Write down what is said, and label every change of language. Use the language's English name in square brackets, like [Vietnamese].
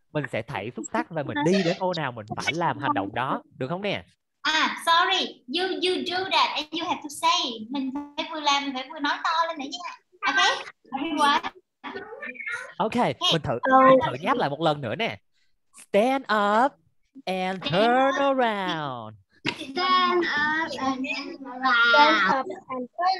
[Vietnamese] Mình sẽ thảy xúc tắc và mình đi đến ô nào mình phải làm hành động đó. Được không nè? [English] Sorry. You do that and you have to say. [Vietnamese] Mình phải vừa làm, mình phải vừa nói to lên nữa nha. [English] Okay. Okay. [Vietnamese] Mình thử nháp lại một lần nữa nè. [English] Stand up and turn around. Stand up and turn around.